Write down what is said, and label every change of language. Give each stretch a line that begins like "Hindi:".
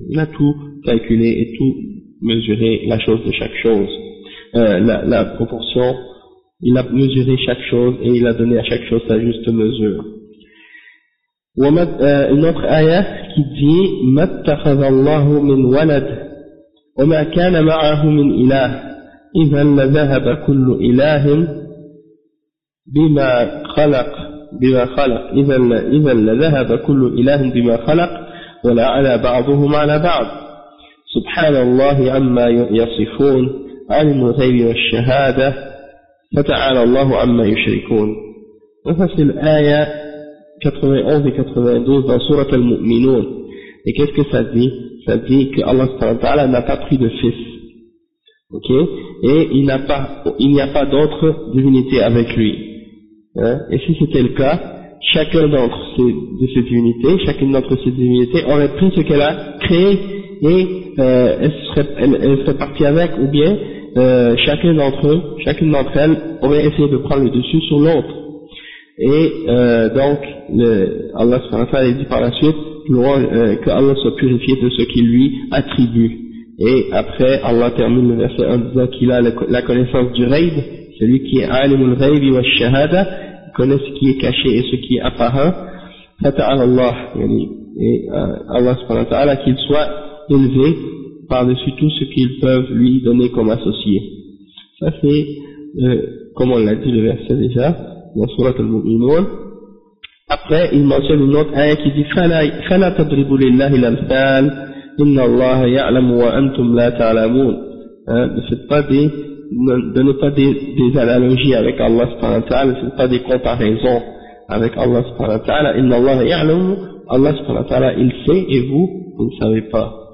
French: Il a tout calculé et tout mesuré, la chose de chaque chose. La proportion, il a mesuré chaque chose et il a donné à chaque chose sa juste mesure. Une autre ayah qui dit
Arabic: ما اتخذ الله من ولد وما كان معه من إله إذا لذهب كل إله بما خلق إذا لذهب كل إله بما خلق ولا على بعضهم على بعض. سبحان الله عما يصفون عن الغيب والشهادة فتعالى الله عما يشركون. وفصل آية 91-92 dans سورة المؤمنون.
French: Et qu'est-ce que ça dit? Ça dit que Allah SWT n'a pas pris de fils. Ok? Et il n'y a pas d'autre divinité avec lui. Hein? Et si c'était le cas, chacun d'entre ces divinités, chacune d'entre ces divinités aurait pris ce qu'elle a créé et elle serait partie avec, ou bien chacune d'entre elles aurait essayé de prendre le dessus sur l'autre. Et donc Allah SWT a dit par la suite que Allah soit purifié de ce qu'il lui attribue. Et après Allah termine le verset en disant qu'il a la connaissance du ghaib, celui qui est
Arabic: alimul ghaib wa shahada,
French: connaît ce qui est caché et ce qui est apparent.
Arabic: Fata'ala Allah, yani,
French: et Allah subhanahu wa ta'ala, qu'il soit élevé par-dessus tout ce qu'ils peuvent lui donner comme associé. Ça c'est, comme on l'a dit le verset déjà, dans Surat al-Mu'minun. Après, il mentionne une autre ayah qui dit
Arabic: فَلَا تَضْرِبُوا لِلَّهِ الْأَمْثَالِ إِنَّ اللَّهَ يَعْلَمُ وَأَنْتُمْ لَا تَعْلَمُونَ.
French: Ne faites pas des... Donnez pas des analogies avec Allah subhanahu wa ta'ala, c'est pas des comparaisons avec Allah subhanahu wa ta'ala.
Arabic: Inna Allah ya'lamu,
French: Allah subhanahu wa ta'ala, il sait et vous ne savez pas.